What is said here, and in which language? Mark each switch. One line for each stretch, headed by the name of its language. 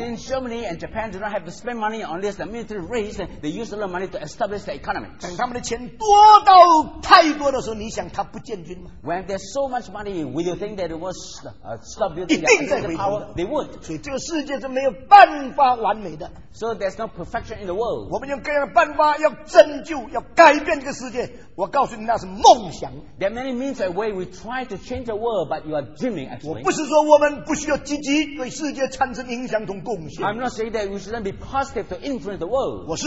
English: Since Germany and Japan do not have to spend money on this military race, they use a lot of money to establish the economy.
Chinese: 等他们的钱多到太多的时候，你想他不建军吗？
English: When there's so much money, will you think that it was stop building the economic power? They would.
Chinese: 所以这个世界是没有办法完美的。
English: So there's no perfection in the world.
Chinese: 我们用各样的办法要拯救，要改变这个世界。我告诉你，那是梦想。
English: There are many means and ways we try to change the world, but you are dreaming actually.
Chinese: 我不是说我们不需要积极对世界产生影响和贡献。
English: I'm not saying that we shouldn't be positive to influence the world.